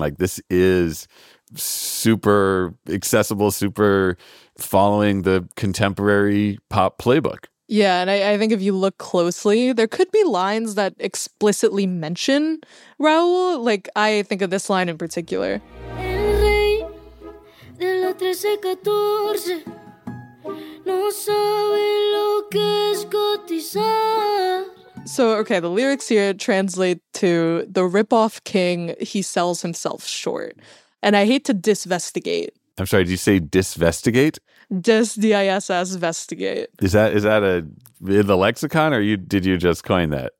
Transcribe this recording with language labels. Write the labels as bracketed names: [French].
[English] Like, this is super accessible, super following the contemporary pop playbook. Yeah, and I think if you look closely, there could be lines that explicitly mention Raul. Like, I think of this line in particular. [Spanish] El rey de la 13-14 no sabe lo que es cotizar. [English] So, okay, the lyrics here translate to the ripoff king, he sells himself short. And I hate to disvestigate. I'm sorry, did you say disvestigate? Disvestigate. Is that in the lexicon, or did you just coin that?